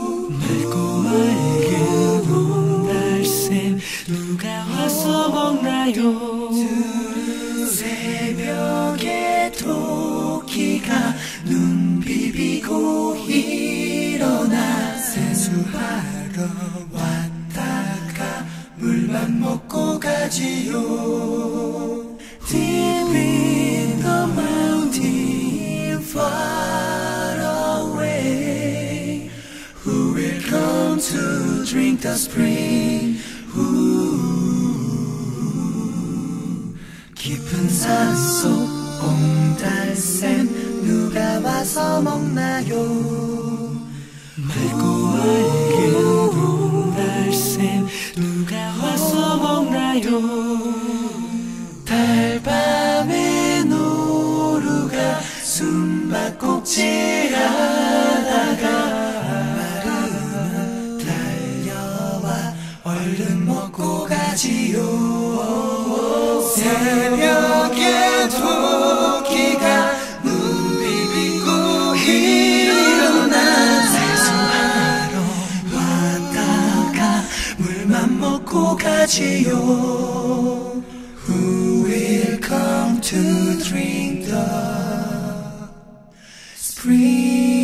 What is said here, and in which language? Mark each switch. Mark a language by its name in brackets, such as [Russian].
[Korean] 맑고 맑게 봄날샘 누가 와서 먹나요? 새벽에 토끼가 눈 비비고 일어나 세수하러 왔다가 물만 먹고 가지요. [English] Deep in the mountain far away, who will come to drink the spring? Who [Korean] 깊은 산 속 봄달샘 누가 와서 먹나요? 맑고 맑게 봄달샘 누가 와서 먹나요? 달밤에 노루가 숨바꼭질 하다가 마르나 달려와 얼른 먹고 가지요. 새벽에 토끼가 눈 비비고 일어나 세수하러 왔다가 물만 먹고 가지요. [English] Who will come to drink the spring?